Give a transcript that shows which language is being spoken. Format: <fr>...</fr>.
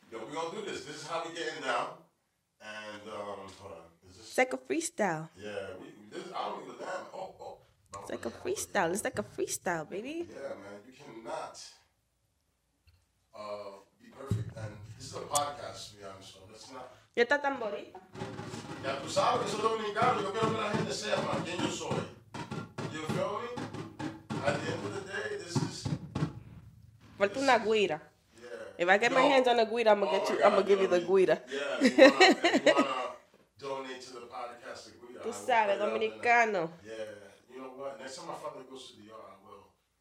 <en>yo, we're gonna do this. This is how we get in now. And, hold on. Is this, it's like a freestyle. Yeah, I don't give a damn. Oh. It's like a freestyle. It's like a freestyle, baby. Yeah, man. You cannot be perfect. And this is a podcast, to be honest. So let's not.</en> <es>Ya está tan bonita. Ya tú sabes que soy dominicano. Yo quiero que la gente sepa quién yo soy.</es> <en>You feel me? At the end of the day, this is.</en> <es>Falta una güira.</es> <en>If I get my hands on the guida, I'm gonna get you. I'm gonna give you the guida. Yeah, you wanna donate to the podcast the guida?</en> <es>Tú sabes, dominicano.</es> <en>Yeah, you know what? Next time my father goes to the yard, I will.</en>